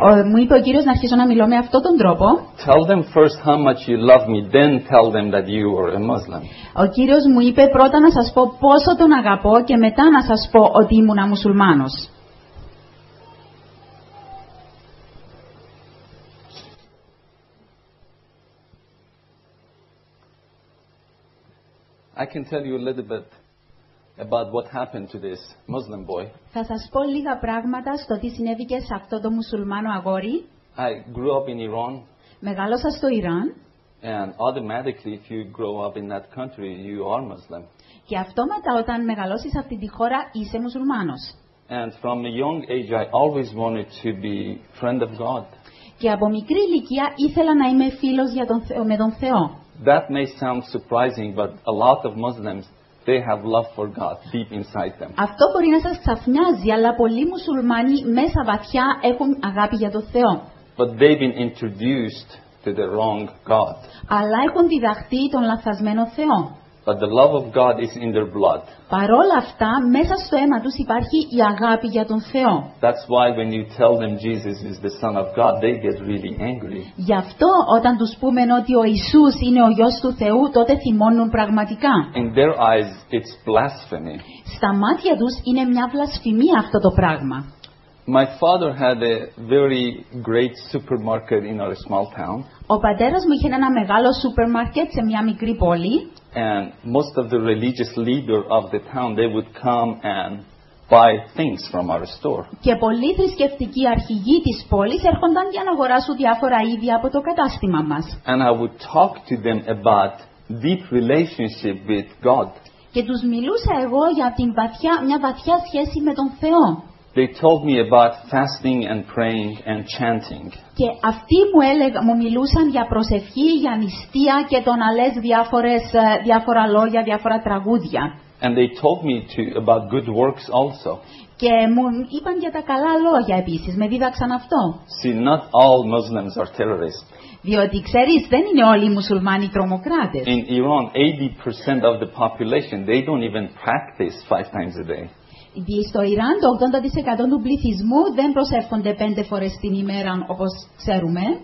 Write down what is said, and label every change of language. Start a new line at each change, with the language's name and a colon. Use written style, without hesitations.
Greek: Μου είπε ο Κύριος να αρχίσω να μιλώ με αυτόν τον τρόπο.
English: Tell them first how much you love me, then tell them that you are a Muslim.
Greek: Ο Κύριος μου είπε πρώτα να σας πω πόσο τον αγαπώ και μετά να σας πω ότι ήμουν μουσουλμάνος.
English: I can tell you a little bit about what happened to this Muslim boy.
Greek: Θα σας πω λίγα πράγματα στο τι συνέβηκε σε αυτό το μουσουλμάνο αγόρι.
English: I grew up in Iran.
Greek: Μεγάλωσα στο Ιράν.
English: And automatically, if you grow up in that country, you are Muslim.
Greek: Και αυτόματα όταν μεγαλώσεις αυτή τη χώρα είσαι μουσουλμάνος.
English: And from a young age, I always wanted to be friend of God.
Greek: Και από μικρή ηλικία ήθελα να είμαι φίλος με τον Θεό.
English: That may sound surprising, but a lot of Muslims, they have love for God deep inside them.
Greek: Αυτό μπορεί να σας ξαφνιάζει, αλλά πολλοί μουσουλμάνοι μέσα βαθιά έχουν αγάπη για τον Θεό.
English: But they've been introduced to the wrong God.
Greek: Αλλά έχουν διδαχτεί τον λαθασμένο Θεό.
English: But the love of God is in their blood.
Greek: Παρόλα αυτά, μέσα στο αίμα τους υπάρχει η αγάπη για τον Θεό.
English: That's why when you tell them Jesus is the Son of God, they get really angry.
Greek: Γι' αυτό όταν τους πούμε ότι ο Ιησούς είναι ο Υιός του Θεού, τότε θυμώνουν πραγματικά.
English: In their eyes, it's blasphemy.
Greek: Στα μάτια τους είναι μια βλασφημία αυτό το πράγμα.
English: My father had a very great supermarket in our small town.
Greek: Ο πατέρας μου είχε ένα μεγάλο σούπερ μάρκετ σε μια μικρή πόλη.
English: And most of the religious leaders of the town, they would come and buy things from our store.
Greek: Και πολλοί θρησκευτικοί αρχηγοί της πόλης έρχονταν για να αγοράσουν διάφορα είδη από το κατάστημα μας.
English: And I would talk to them about deep relationship with God.
Greek: Και τους μιλούσα εγώ για την βαθιά, μια βαθιά σχέση με τον Θεό.
English: They told me about fasting and praying and chanting.
Greek: Και αυτοί μου μιλούσαν για προσευχή, για νηστεία και το να λες διάφορα λόγια, διάφορα τραγούδια.
English: And they told me about good works also.
Greek: Και μου είπαν για τα καλά λόγια επίσης, με δίδαξαν αυτό.
English: See, not all Muslims are terrorists.
Greek: Διότι ξέρεις, δεν είναι όλοι οι μουσουλμάνοι τρομοκράτες.
English: In Iran, 80% of the population, they don't even practice 5 times a day.
Greek: Στο Ιράν το 80% του πληθυσμού δεν προσεύχονται 5 φορές την ημέρα όπως ξέρουμε.